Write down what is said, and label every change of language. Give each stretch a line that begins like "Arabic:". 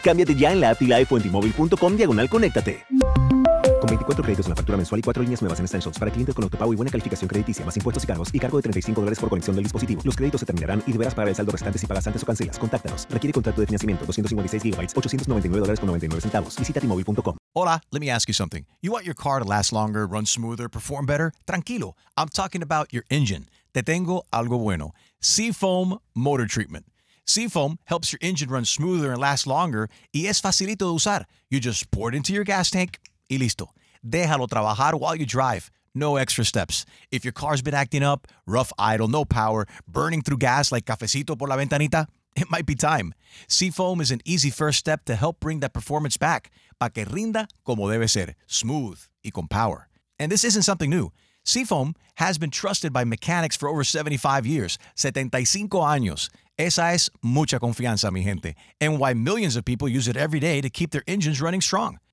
Spanish: Cámbiate ya en la app y la iPhone en T-Mobile.com/conéctate. Con 24 créditos en la factura mensual y 4 líneas nuevas en Essentials para clientes con autopago y buena calificación crediticia, más impuestos y cargos y cargo de $35 por conexión del dispositivo. Los créditos se terminarán y deberás pagar el saldo restante si pagas antes o cancelas. Contáctanos. Requiere contrato de financiamiento. 256 GB. $899.99. Visita T-Mobile.com.
English: Hola, let me ask you something. You want your car to last longer, run smoother, perform better?
Spanish: Tranquilo,
English: I'm talking about your engine.
Spanish: Te tengo algo bueno. Seafoam Motor Treatment.
English: Seafoam helps your engine run smoother and last longer,
Spanish: y es facilito de usar.
English: You just pour it into your gas tank,
Spanish: y listo. Déjalo trabajar
English: while you drive. No extra steps. If your car's been acting up, rough idle, no power, burning through gas like
Spanish: cafecito por la ventanita,
English: it might be time. Seafoam is an easy first step to help bring that performance back.
Spanish: Pa' que rinda como debe ser, smooth y con power.
English: And this isn't something new. Seafoam has been trusted by mechanics for over 75 years.
Spanish: 75 años. Esa es mucha confianza, mi gente.
English: And why millions of people use it every day to keep their engines running strong.